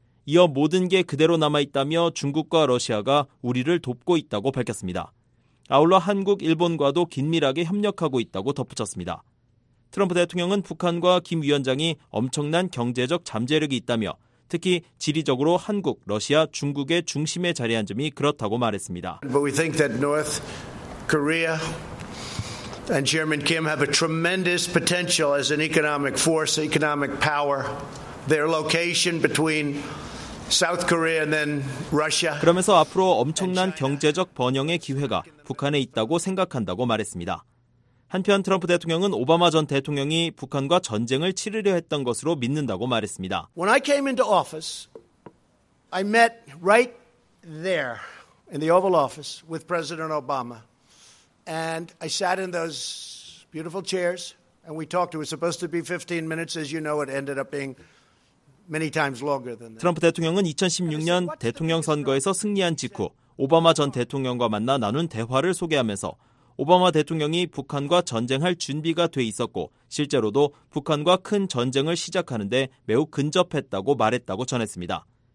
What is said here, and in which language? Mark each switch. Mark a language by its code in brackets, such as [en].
[ko] 이어 모든 게 그대로 남아있다며 중국과 러시아가 우리를 돕고 있다고 밝혔습니다. 아울러 한국, 일본과도 긴밀하게 협력하고 있다고 덧붙였습니다. 트럼프 대통령은 북한과 김 위원장이 엄청난 경제적 잠재력이 있다며 특히 지리적으로 한국, 러시아, 중국의 중심에 자리한 점이 그렇다고 말했습니다. [en] But we think that North Korea and Chairman Kim have a tremendous potential as an economic force, economic power. Their location between South Korea and then Russia. [ko] 그러면서 앞으로 엄청난 경제적 번영의 기회가 북한에 있다고 생각한다고 말했습니다. 한편 트럼프 대통령은 오바마 전 대통령이 북한과 전쟁을 치르려 했던 것으로 믿는다고 말했습니다. [en] When I came into office, I met right there in the Oval Office with President Obama, and I sat in those beautiful chairs and we talked. It was supposed to be 15 minutes, as you know, it ended up being. [ko] 트럼프 대통령은 2016년 대통령 선거에서 승리한 직후 오바마 전 대통령과 만나 나눈 대화를 소개하면서 오바마 대통령이 북한과 전쟁할 준비가 돼 있었고 실제로도 북한과 큰 전쟁을 시작하는데 매우 근접했다고 말했다고 전했습니다.